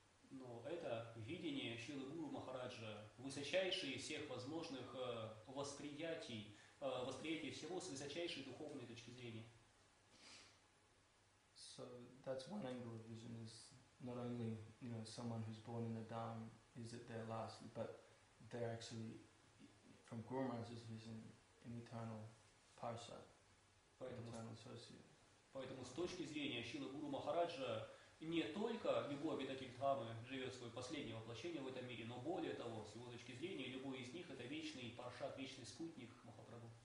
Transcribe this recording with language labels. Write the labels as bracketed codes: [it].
[ru] Но это видение Шрилы Гуру Махараджа, высочайшее из всех возможных восприятий, восприятие всего с высочайшей духовной точки зрения. [en] So that's one angle of vision, is not only, you know, someone who's born in the Dhamma, is it their last, but they're actually, from Guru Maharaj's vision, an eternal parsad, eternal associate. [ru] Поэтому с точки зрения Шрилы Гуру Махараджа, не только любой обитатель Дхамы живет свое последнее воплощение в этом мире, но более того, с его точки зрения, любой из них – это вечный паршат, вечный спутник Махапрабху.